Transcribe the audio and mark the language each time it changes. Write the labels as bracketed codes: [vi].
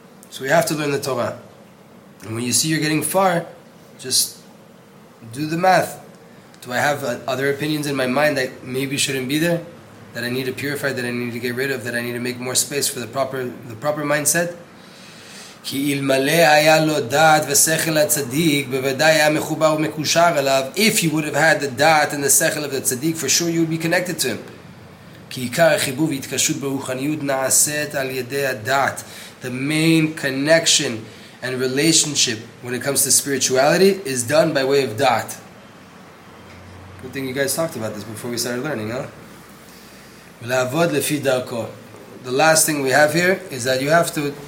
[en] So we have to learn the Torah. And when you see you're getting far, just do the math. Do I have other opinions in my mind that maybe shouldn't be there? That I need to purify, that I need to get rid of, that I need to make more space for the proper mindset? [he] כי אלמלא היה לו דעת ושכל הצדיק, בוודאי היה מחובר ומקושר אליו. [en] If you would have had the דעת and the שכל of the צדיק, for sure you would be connected to him. [he] כי עיקר החיבור והתקשות ברוחניות נעשית על ידי הדעת. [en] The main connection and relationship when it comes to spirituality is done by way of דעת. Good thing you guys talked about this before we started learning, huh? [he] לעבוד לפי דרכו. [en] The last thing we have here is that you have to...